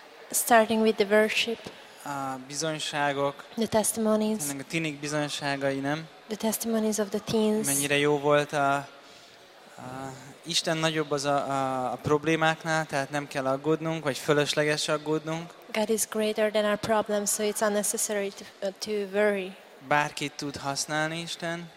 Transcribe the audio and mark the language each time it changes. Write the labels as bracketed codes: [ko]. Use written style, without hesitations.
[en] Starting with the worship. [hu] A bizonyságok. [en] The testimonies. [hu] Tényleg a tinik bizonyságai, nem? [en] The testimonies of the teens. [hu] Mennyire jó volt Isten nagyobb az a problémáknál, tehát nem kell aggódnunk, vagy fölösleges aggódnunk. [en] God is greater than our problems, so it's unnecessary to worry. [hu] Bárkit tud használni Isten.